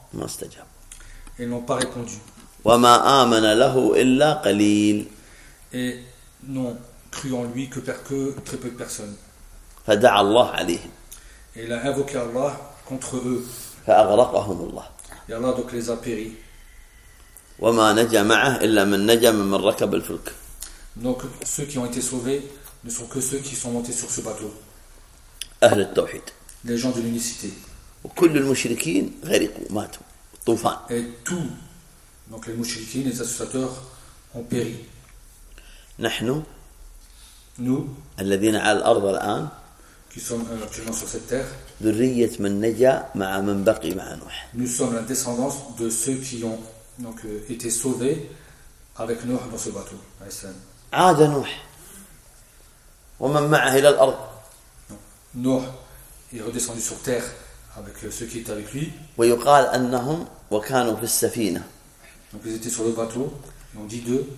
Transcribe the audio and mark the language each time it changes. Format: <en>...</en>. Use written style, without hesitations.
<ar>ما استجاب.</ar> <fr>Ils n'ont pas répondu.</fr> <ar>وما آمن له إلا قليل.</ar> <fr>Et n'ont cru en lui que très peu de personnes.</fr> <ar>فدعا الله عليهم.</ar> <fr>Il a invoqué Allah contre eux.</fr> <ar>فأغرقهم الله.</ar> <fr>Et Allah donc les a péri.</fr> <ar>وما نجا معه إلا من نجا من ركب الفلك.</ar> <fr>Donc ceux qui ont été sauvés ne sont que ceux qui sont montés sur ce bateau.</fr> <ar>أهل التوحيد.</ar> <fr>Les gens de l'unicité.</fr> <ar>وكل المشركين غرقوا ماتوا طوفان.</ar> <fr>Et tous Donc les mouchriquins, les associateurs ont péri.</fr> <ar>نحن</ar> <fr>nous</fr> <ar>الذين على الارض الان</ar> <fr>qui sommes actuellement sur cette terre</fr> <ar>ذرية من نجا مع من بقي مع نوح.</ar> <fr>Nous sommes la descendance de ceux qui ont donc été sauvés avec Noé dans ce bateau.</fr> <ar>عاد نوح ومن معه الى الارض.</ar> <fr>Noé est redescendu sur terre avec ceux qui étaient avec lui.</fr> <ar>ويقال انهم وكانوا في السفينة.</ar> <fr>Donc ils étaient sur le bateau et on dit d'eux</fr>